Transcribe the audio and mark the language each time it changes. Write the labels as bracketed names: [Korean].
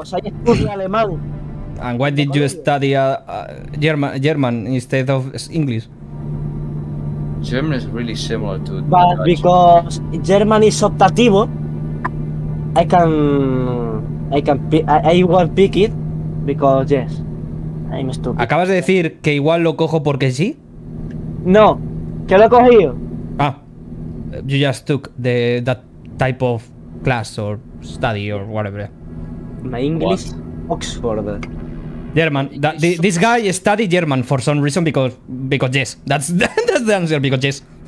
[English] And why did you study German instead of English? German is really similar to. But Dutch. Because German is optativo, I will pick it because yes, I'm stupid. [Spanish] ¿Acabas de decir que igual lo cojo porque sí? No, que lo he cogido. [English] Ah, you just took that type of class or study or whatever. My English, what? Oxford. German. This guy studied German for some reason because yes. That's the answer, because yes.